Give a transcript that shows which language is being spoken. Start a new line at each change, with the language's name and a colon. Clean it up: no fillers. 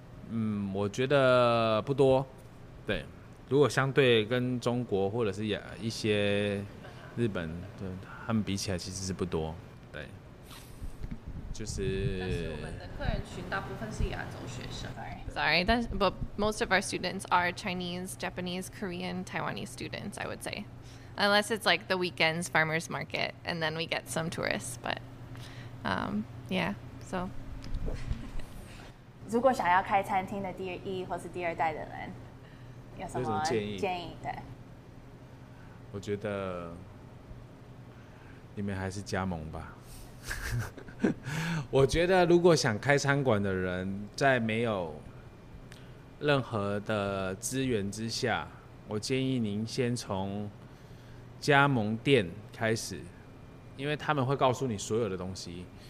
Chinese: 嗯，我觉得不多。对，如果相对跟中国或者是一些日本，对他们比起来其实是不多。对，就是。但是我们的客人群大部分是亚洲学生。
English: Sorry, but most of our students are Chinese, Japanese, Korean, Taiwanese students, I would say. Unless it's like the weekends farmers market, and then we get some tourists. But, yeah, so.
Chinese: 如果想要开餐厅的第一或是第二代的人，有什么建议？对，我觉得你们还是加盟吧。我觉得如果想开餐馆的人，在没有任何的资源之下，我建议您先从加盟店开始，因为他们会告诉你所有的东西。